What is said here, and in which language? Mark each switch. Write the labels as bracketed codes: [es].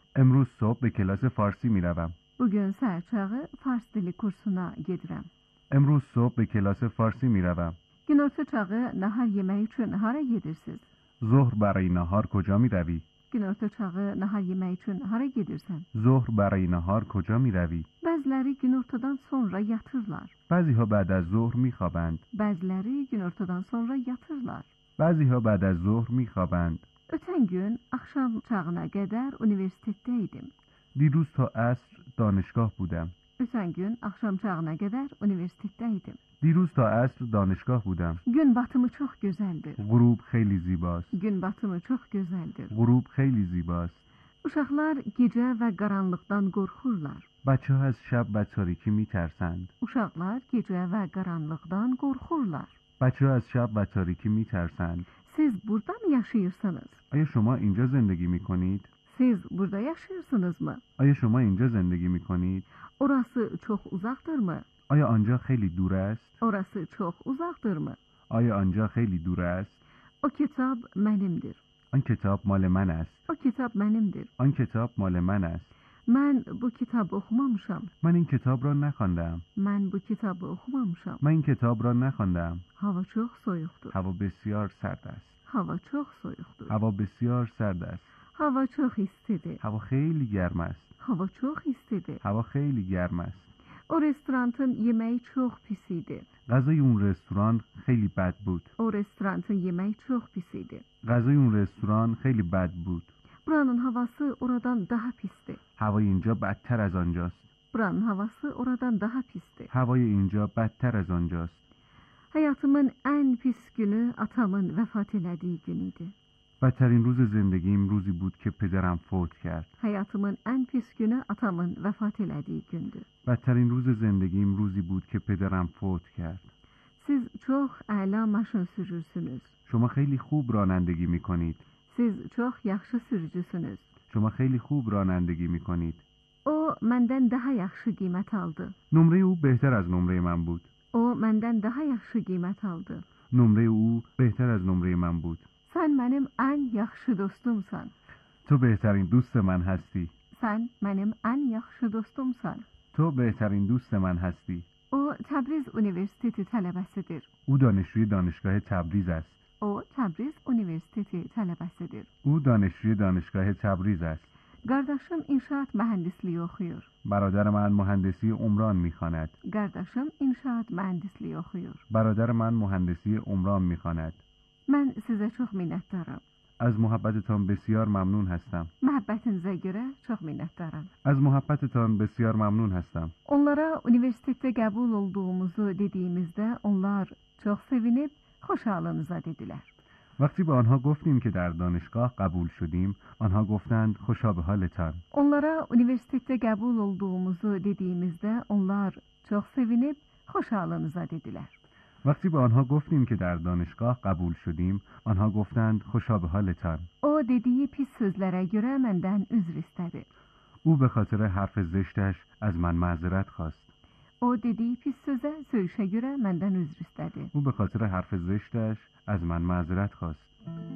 [fa] امروز صبح به کلاس فارسی میروم. [az] بگن سرچاغه فارسی دلی کورسونا گیدرم. [fa] امروز صبح به کلاس فارسی میروم. [az] گنورتا چاغه نهار یمهی چون هاره گیدرسیز. [fa] ظهر برای نهار کجا میروی؟ [az] گنورتا چاغه نهار یمهی چون هاره گیدرسن. [fa] ظهر برای نهار کجا میروی؟ [az] بعضلری گنورتادان سونرا یاتیرلار. [fa] بعضی ها بعد از ظهر میخوابند. [az] بعضلری گنورتادان سونرا یاتیرلار. [fa] بعضی ها بعد از ظهر میخوابند. [az] اوتن گون اخشام چاغنا قدر اونیورسیتته ایدم. [fa] دیروز تا عصر دانشگاه بودم. [az] اوتن گون اخشام چاغنا قدر اونیورسیتته ایدم. [fa] دیروز تا عصر دانشگاه بودم. [az] گن باتمی چخ گوزلدیر. [fa] غروب خیلی زیباست. [az] گن باتمی چخ گوزلدیر. [fa] غروب خیلی زیباست. [az] اوشاقلار گیجه و قرانلیقدان قورخورلار. [fa] بچه ها از شب و تاریکی میترسند. [az] اوشاقلار گیجه و قرانلیقدان قورخورلار. [fa] بچه ها از شب و تاریکی میترسند. [az] سیز بوردا می یاشیرسنز؟ [fa] آیا شما اینجا زندگی میکنید؟ [az] سیز بوردا یاشیرسنز مه؟ [fa] آیا شما اینجا زندگی میکنید؟ [az] اوراسی چخ اوزاقدیر مه؟ [fa] آیا آنجا خیلی دور است؟ [az] اورسی چخ اوزاقدیر مه؟ [fa] آیا آنجا خیلی دور است؟ [az] او کتاب منیمدیر. [fa] آن کتاب مال من است. [az] او کتاب منیمدیر. [fa] آن کتاب مال من است. [az] من بو کتاب اخمامشم. [fa] من این کتاب را نخواندم. [az] من بو کتاب اخمامشم. [fa] من این کتاب را نخواندم. [az] هوا چخ سویختور. [fa] هوا بسیار سرد است. [az] هوا چخ سویختور. [fa] هوا بسیار سرد است. [az] هوا چخ ایستیده. [fa] هوا خیلی گرم است. [az] هوا چخ ایستیده. [fa] هوا خیلی گرم است. [az] O restorantın yemeği çok pisiydi. [fa] غذای اون رستوران خیلی بد بود. [az] O restorantın yemeği çok pisiydi. [fa] غذای اون رستوران خیلی بد بود. [az] Buranın havası oradan daha pisti. [fa] Hava اینجا بدتر از آنجاست. [az] Buranın havası oradan daha pisti. [fa] Havay اینجا بدتر از آنجاست. [az] Hayatımın en pis günü atamın vefat elediği günüydü. [fa] بدترین روز زندگیم روزی بود که پدرم فوت کرد. [az] Hayatımın en pis günü atamın vefat elediği gündü. [fa] بدترین روز زندگیم روزی بود که پدرم فوت کرد. [az] Siz çok ala maşın sürürsünüz. [fa] شما خیلی خوب رانندگی میکنید. [az] Siz çok yakşı sürücüsünüz. [fa] شما خیلی خوب رانندگی میکنید. [az] O menden daha yakşı kıymet aldı. [fa] نمره او بهتر از نمره من بود. [az] O menden daha yakşı kıymet aldı. [fa] نمره او بهتر از نمره من بود. [az] Sen benim en yakşı dostumsan. [fa] تو بهترین دوست من هستی. [az] Sen benim en yakşı dostumsan. [fa] تو بهترین دوست من هستی. [az] O Tabriz Üniversitesi talebesidir. [fa] او دانشجوی دانشگاه تبریز است. [az] O Tabriz Üniversitesi talebesidir. [fa] او دانشجوی دانشگاه تبریز است. [az] Kardeşim inşaat mühendisliği okuyor. [fa] برادر من مهندسی عمران می‌خواند. [az] Kardeşim inşaat mühendisliği okuyor. [fa] برادر من مهندسی عمران می‌خواند. [az] من size çok minnettarım. [fa] از محبتتان بسیار ممنون هستم. محبتتان [az] زگره çok minnettarım. [fa] از محبتتان بسیار ممنون هستم. [az] Onlara üniversitede kabul olduğumuzu dediğimizde onlar çok sevinip خوشحالانیزه دیدیلر. [fa] وقتی به آنها گفتیم که در دانشگاه قبول شدیم، آنها گفتند خوشا به حالتان. [az] اونلارا اونیورسیتته قبول olduğumuzu dediğimizde onlar çok sevinip خوشحالانیزه دیدیلر. [fa] وقتی به آنها گفتیم که در دانشگاه قبول شدیم، آنها گفتند خوشا به حالتان. [az] او dediği pis sözlere göre menden özür istedi. [fa] او به خاطر حرف زشتش از من معذرت خواست. [az] او dediği pis söze söyüşe göre menden özür istedi. [fa] او به خاطر حرف زشتش از من معذرت خواست.